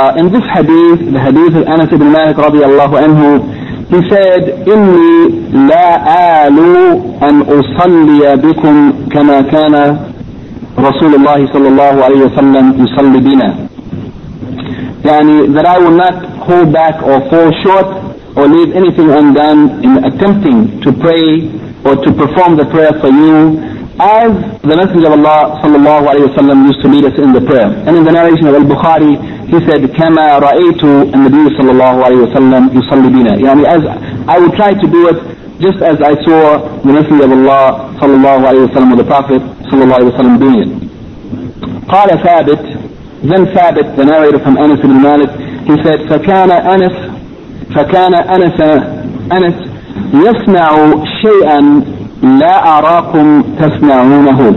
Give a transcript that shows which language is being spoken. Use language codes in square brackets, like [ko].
[en] In this hadith, the hadith of Anas ibn Malik radiallahu anhu, he said, [ar] إِنِّي لَا آلُ أَنْ أُصَلِّيَ بِكُمْ كَمَا كَانَ رَسُولُ اللَّهِ صَلَّى اللَّهُ عَلَيْهِ وَسَلَّمْ يُصَلِّ بِنَا. [en] Yani, that I will not hold back or fall short or leave anything undone in attempting to pray or to perform the prayer for you as the Messenger of Allah sallallahu alayhi wa sallam used to lead us in the prayer. And in the narration of Al-Bukhari, he said, [ar] كَمَا رَأَيْتُ النَّبِيُّ صَلَّى اللَّهُ عَلَيْهِ وَسَلَّمْ يُصَلِّ بِنَا. [en] Yani, as I would try to do it just as I saw the Messenger of Allah sallallahu alayhi wa sallam or the Prophet sallallahu alayhi wa sallam doing it. [ar] قَالَ ثَابِتْ. [en] Then Thabit, the narrator from Anas ibn Malik, he said, [ar] فَكَانَ أَنَسَ يَسْمَعُ شَيْئًا لَا أَرَاكُمْ تَسْمَعُونَهُ.